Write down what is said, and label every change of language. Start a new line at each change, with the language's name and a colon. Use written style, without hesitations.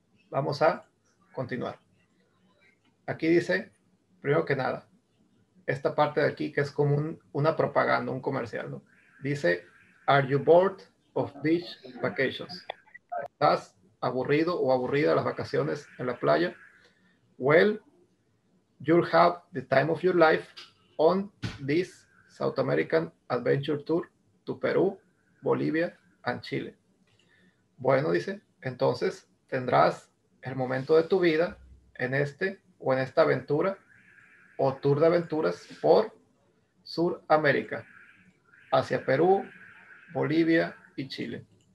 Spanish: Vamos a continuar. Aquí dice, primero que nada, esta parte de aquí que es como una propaganda, un comercial, ¿no? Dice,
English: Are you bored of beach vacations?
Spanish: ¿Estás aburrido o aburrida de las vacaciones en la playa?
English: Well, you'll have the time of your life on this South American Adventure Tour to Perú, Bolivia and Chile.
Spanish: Bueno, dice, entonces tendrás el momento de tu vida en este o en esta aventura o tour de aventuras por Suramérica, hacia Perú, Bolivia y Chile.